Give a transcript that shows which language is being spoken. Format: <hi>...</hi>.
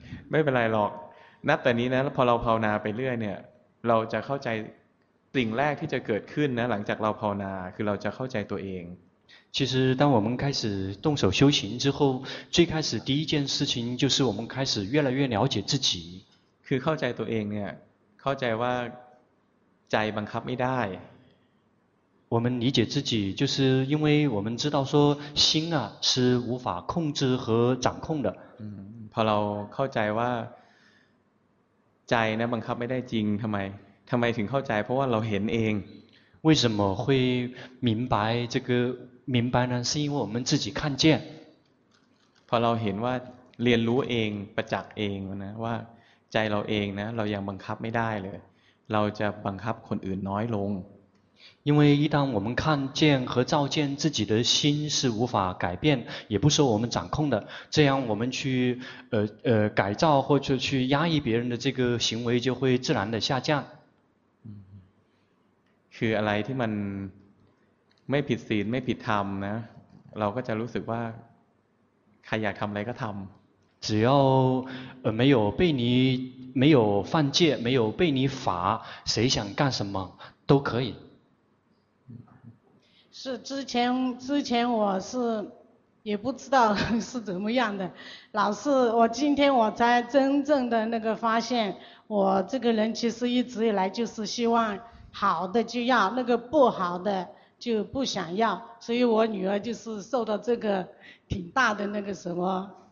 <th>ไม่เป็นไรหรอกนับแต่นี้นะพอเราภาวนาไปเรื่อยเนี่ยเราจะเข้าใจสิ่งแรกที่จะเกิดขึ้นนะหลังจากเราภาวนาคือเราจะเข้าใจตัวเอง</th> <zh>其实当我们开始动手修行之后最开始第一件事情就是我们开始越来越了解自己</zh> <th>คือเข้าใจตัวเองเนี่ยเข้าใจว่าใจบังคับไม่ได้</th> <zh>我们理解自己就是因为我们知道说心啊是无法控制和掌控的</zh> <th>พอเราเข้าใจว่าใจนะบังคับไม่ได้จริงทำไมถึงเข้าใจเพราะว่าเราเห็นเอง</th> <zh>为什么会明白呢是因为我们自己看见</zh> <th>พอเราเห็นว่าเรียนรู้เองประจักษ์เองนะว่าใจเราเองนะเรายังบังคับไม่ได้เลยเราจะบังคับคนอื่นน้อยลง</th> <zh>因为一旦我们看见和照见自己的心是无法改变也不是我们掌控的这样我们去改造或者去压抑别人的这个行为就会自然的下降</zh> <th>คืออะไรที่มันไม่ผิดศีลไม่ผิดธรรมนะเราก็จะรู้สึกว่าใครอยากทำอะไรก็ทำ</th> <zh>只要没有被你没有犯戒没有被你罚谁想干什么都可以是之前我是也不知道是怎么样的老是我今天我才真正的那个发现我这个人其实一直以来就是希望好的就要那个不好的就不想要所以我女儿就是受到这个挺大的那个什么</zh>